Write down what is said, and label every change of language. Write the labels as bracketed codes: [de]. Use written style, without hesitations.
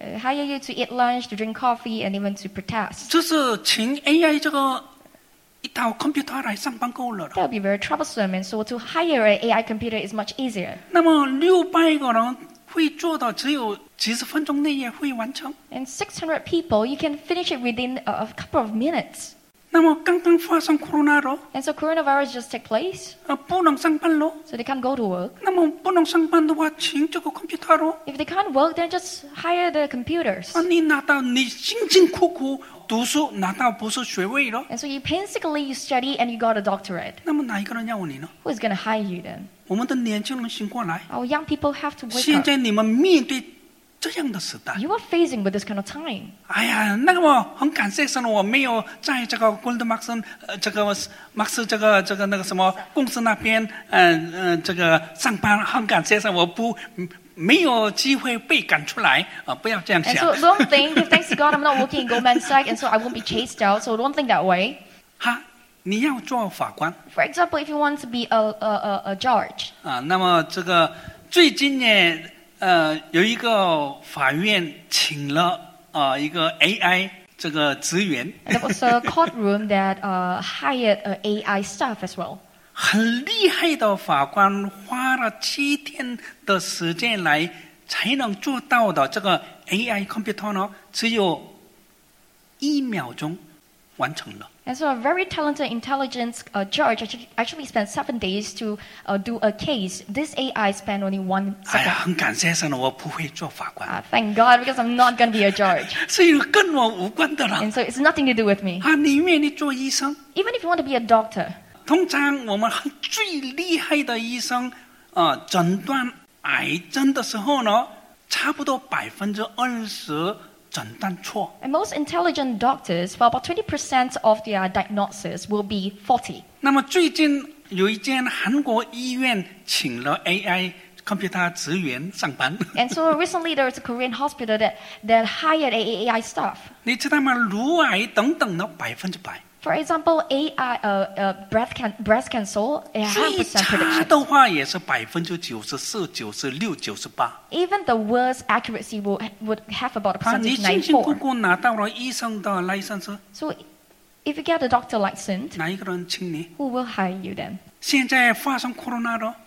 [en] Hire you to eat lunch, to drink coffee, and even to protest. [zh] 就是请 AI 这个一套 computer 来上班够了。 [en] That would be very troublesome, and so to hire an AI computer is much easier. [zh] 那么600个人。会做到只有几十分钟内也会完成。 [en] And 600 people, you can finish it within a couple of minutes. [zh] 那么刚刚发生 corona 了 [en] And so coronavirus just take place. [zh] 不能上班了 [en] So they can't go to work. [zh] 那么不能上班的话，请这个 computer 了 [en] If they can't work, then just hire the computers. [zh] 你拿到你辛辛苦苦读书拿到博士学位了 [en] And so you painstakingly you study and you got a doctorate. [zh] 那么哪一个人要你呢 [en] Who is going to hire you then? [zh] 我们的年轻人醒过来 [en] Our young people have to wake up. [zh] 现在你们面对这样的时代 [en] You are facing with this kind of time. [zh] 哎呀，那个我很感谢神，我没有在这个 Goldman Sachs 这个 Max 这个那个什么公司那边，这个上班，很感谢神，我不没有机会被赶出来啊！不要这样想。 [en] And so don't think, thanks to God, I'm not working in Goldman Sachs, and so I won't be chased out. So don't think that way. [zh] 哈，你要做法官 [en] ？For example, if you want to be a judge. [zh] 啊，那么这个最近呢？有一个法院请了一个 AI 这个职员。 [en] There was a courtroom that hired an AI staff as well. [zh] 很厉害的法官花了七天的时间来才能做到的这个 AI computer 呢，只有一秒钟完成了。 [en] And so a very talented intelligence judge actually spent 7 days to do a case. This AI spent only 1 second. [zh] 哎呀，很感谢神，我不会做法官。 [en] Thank God, because I'm not going to be a judge. [zh] 是跟我无关的了。 [en] And so it's nothing to do with me. [zh] 啊，你愿意做医生 [en] ？Even if you want to be a doctor. [zh] 通常我们最厉害的医生，诊断癌症的时候呢，差不多20%。诊断错。 [en] And most intelligent doctors, well, about 20% of their diagnosis will be faulty. [zh] 那么最近有一间韩国医院请了 AI computer 职员上班。 [en] And so recently there is a Korean hospital that hired AI staff. [zh] 你知道吗？乳癌等等的100%。 [en] For example, AI, breast cancer, it has 100% prediction. [zh] 最差的话也是94%、96%、98%。 [en] Even the worst accuracy would have about a percentage 94%. [zh] 你辛辛苦苦拿到了医生的 license. [en] So, if you get a doctor license, [zh] 哪一个人请你？ [en] Who will hire you then? [zh] 现在发生 corona 了。